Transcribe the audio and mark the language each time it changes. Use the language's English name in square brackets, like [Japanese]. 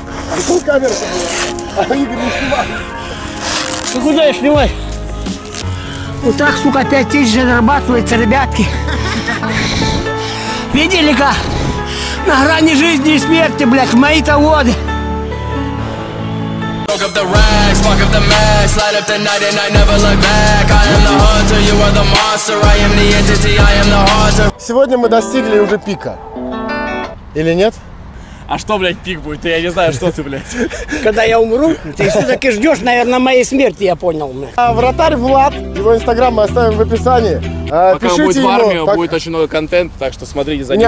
[Russian] А какую камеру ты делаешь? А Игорь не снимай. Ты куда ее снимай? Вот так, сука, 5000 зарабатывается, ребятки. Видели-ка? На грани жизни и смерти, блядь, мои-то воды. [English] Fuck up the racks, fuck up the mess, light up the night and I never look back. I am the hunter, you are the monster, I am the entity, I am the haunter. [Russian] Сегодня мы достигли уже пика. Или нет? А что, блядь, пик будет? Я не знаю, что ты, блядь. Когда я умру, ты все-таки ждешь, наверное, моей смерти, я понял. А вратарь Влад, его инстаграм мы оставим в описании. Пока пишите он будет в армии, ему, будет очень много контента, так что смотрите за ним.